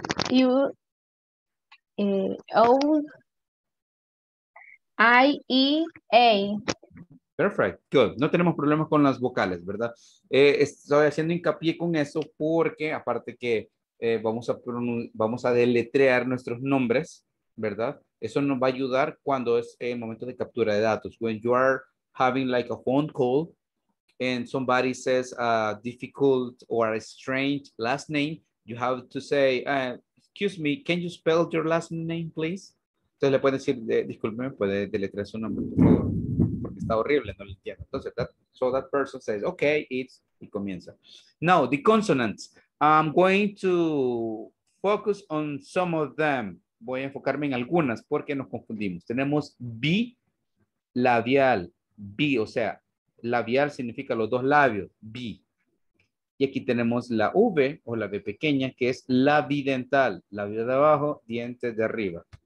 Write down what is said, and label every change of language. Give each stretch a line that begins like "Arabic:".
English: U, O, I, E, A. Perfect. Good.
Spanish: No tenemos problemas con las vocales, ¿verdad? Estoy haciendo hincapié con eso porque, aparte que vamos a deletrear nuestros nombres, ¿verdad? Eso nos va a ayudar cuando es el momento de captura de datos.
English: When you are having like a phone call and somebody says a difficult or a strange last name, you have to say, excuse me, can you spell your last name, please?
Spanish: Entonces le pueden decir, disculpe, puede deletrear su nombre, por favor, porque está horrible, no lo entiendo. Entonces,
English: that person says, okay, it's,
Spanish: y comienza.
English: Now, the consonants. I'm going to focus on some of them.
Spanish: Voy a enfocarme en algunas porque nos confundimos. Tenemos bilabial, bi, o sea, labial significa los dos labios, bi. Y aquí tenemos la V o la B pequeña, que es la bidental, labio de abajo, dientes de arriba.